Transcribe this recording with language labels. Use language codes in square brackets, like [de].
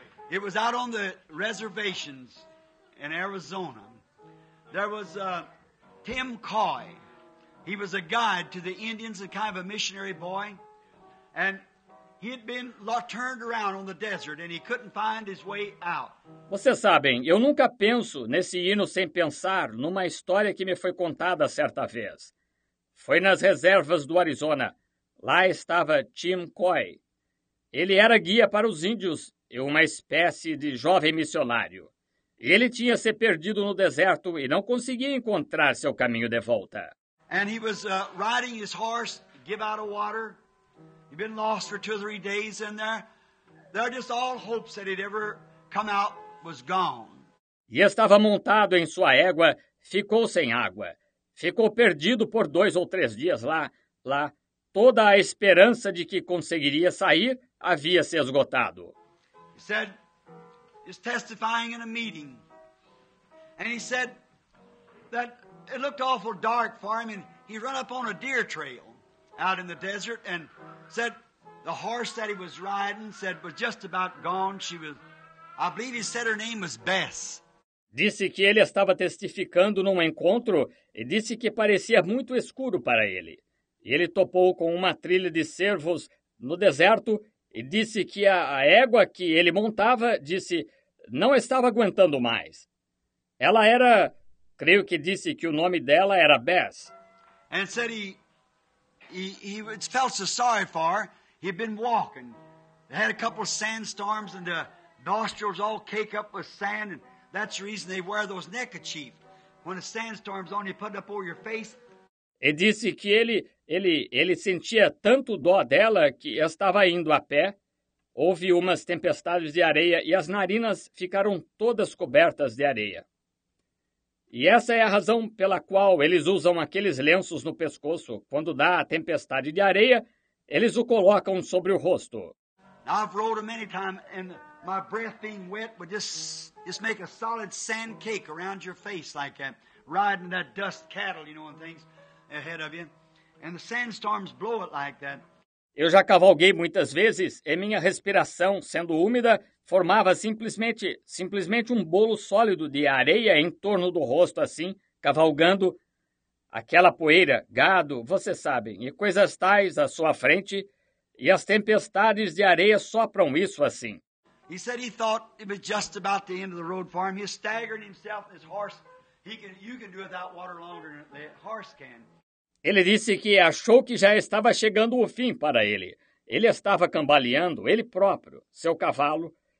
[en] It was out on the reservations in Arizona. There was Tim Coy. He was a guide to the Indians, a kind of a missionary boy. And he had been turned around on the desert and he couldn't find his way out. [pt] Vocês sabem, eu nunca penso nesse hino sem pensar numa história que me foi contada certa vez. Foi nas reservas do Arizona. Lá estava Tim Coy. Ele era guia para os índios e uma espécie de jovem missionário. Ele tinha se perdido no deserto e não conseguia encontrar seu caminho de volta. [en] And he was riding his horse, give out of water. He'd been lost for 2 or 3 days in there. There just all hopes that he'd ever come out was gone. [pt] E estava montado em sua égua, ficou sem água. Ficou perdido por 2 ou 3 dias lá. Toda a esperança de que conseguiria sair havia se esgotado. [en] He said, he's testifying in a meeting. And he said that it looked awful dark for him, and he run up on a deer trail out in the desert and said the horse that he was riding said was just about gone. She was, I believe he said her name was Bess. [pt] Disse que ele estava testificando num encontro e disse que parecia muito escuro para ele. E ele topou com uma trilha de cervos no deserto e disse que a égua que ele montava, disse, não estava aguentando mais. Ela era, creio que disse que o nome dela era Bess. [en] And said he felt so sorry for her. He'd been walking. They had a couple of sandstorms and the nostrils all caked up with sand. And that's the reason they wear those neckerchiefs. When a sandstorm's on, you put it up over your face. [pt] E disse que ele sentia tanto dó dela que estava indo a pé. Houve umas tempestades de areia e as narinas ficaram todas cobertas de areia. E essa é a razão pela qual eles usam aqueles lenços no pescoço. Quando dá a tempestade de areia, eles o colocam sobre o rosto. [en] I've rode many times and my breath being wet would just make a solid sand cake around your face like that, riding that dust cattle, you know, and things ahead of you. And the sandstorms blow it like that. [pt] Eu já cavalguei muitas vezes e minha respiração, sendo úmida, formava simplesmente um bolo sólido de areia em torno do rosto, assim, cavalgando aquela poeira, gado, vocês sabem, e coisas tais à sua frente, e as tempestades de areia sopram isso assim. [en] He said he thought it was just about the end of the road for him. He staggered himself and his horse. You can do without water longer than the horse can. [pt] Ele disse que achou que já estava chegando o fim para ele. Ele estava cambaleando, ele próprio, seu cavalo.